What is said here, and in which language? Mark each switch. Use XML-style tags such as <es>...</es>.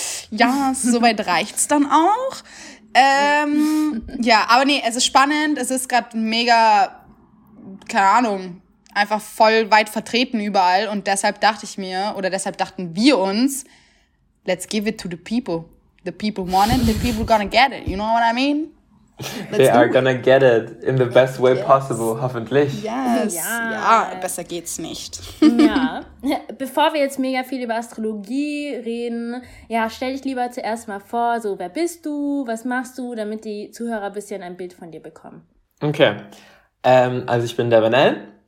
<de>Ja, soweit reicht's dann auch. Ja, aber nee, es ist spannend. Es ist gerade mega, keine Ahnung, einfach voll weit vertreten überall. Und deshalb dachte ich mir, oder deshalb dachten wir uns,</de> <en>let's give it to the people. The people want it, the people gonna get it. You know what I mean? Gonna get it in the best way possible,</en> <de>hoffentlich. Yes, ja, besser geht's nicht. Ja, bevor wir jetzt mega viel über Astrologie reden, ja, stell dich lieber zuerst mal vor, so, wer bist du, was machst du, damit die Zuhörer ein bisschen ein Bild von dir bekommen. Okay, also ich bin der Vernell.</de>